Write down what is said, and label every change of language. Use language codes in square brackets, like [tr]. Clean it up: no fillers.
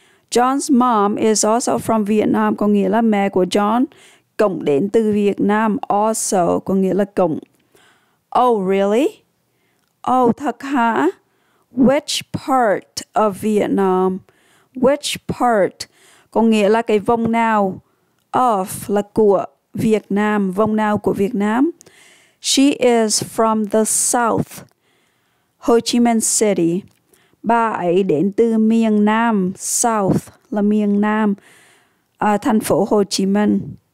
[en] John's mom is also from Vietnam, [vi] có nghĩa là mẹ của John, cũng đến từ Việt Nam, also, có nghĩa là cũng. [en] Oh, really? Oh, [vi] thật hả? [en] Which part of Vietnam? Which part? [vi] Có nghĩa là cái vùng nào? Of là của Việt Nam, vùng nào của Việt Nam? [en] She is from the south, Ho Chi Minh City. [vi] Bà ấy đến từ miền Nam, south là miền Nam, thành phố Ho Chi Minh.